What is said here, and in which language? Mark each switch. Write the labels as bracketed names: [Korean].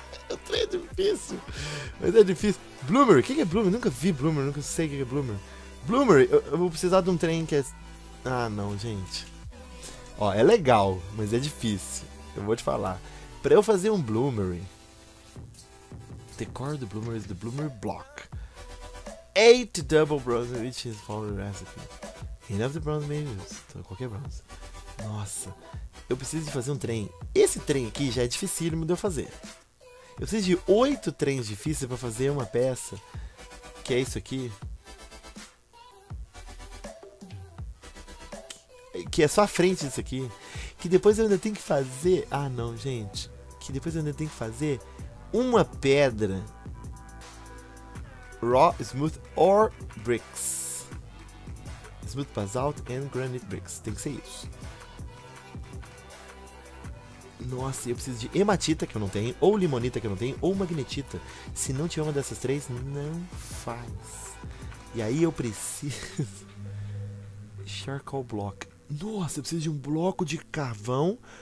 [Portuguese] O trem é difícil. Mas é difícil. Bloomery, o que é Bloomery? Nunca vi Bloomery, nunca sei o que é Bloomery. Bloomery, eu vou precisar de um trem que é. Ah, não, gente. Ó, é legal, mas é difícil. Eu vou te falar. Pra eu fazer um Bloomery. [English] The core of the Bloomery is the Bloomery block. 8 double bronze, which is for the recipe. Enough the bronze, maybe. [Portuguese] Qualquer bronze. Nossa. Eu preciso de fazer um trem. Esse trem aqui já é dificílimo de eu fazer. Eu preciso de 8 trens difíceis pra fazer uma peça. Que é isso aqui. Que é só a frente disso aqui. Que depois eu ainda tenho que fazer. Ah, não, gente. Que depois eu ainda tenho que fazer uma pedra. [English] Raw, smooth ore bricks. Smooth basalt and granite bricks. [Portuguese] Tem que ser isso. Nossa, eu preciso de hematita que eu não tenho, ou limonita que eu não tenho, ou magnetita. Se não tiver uma dessas três, não faz. E aí eu preciso. [English] Charcoal block. [Portuguese] Nossa, eu preciso de um bloco de carvão.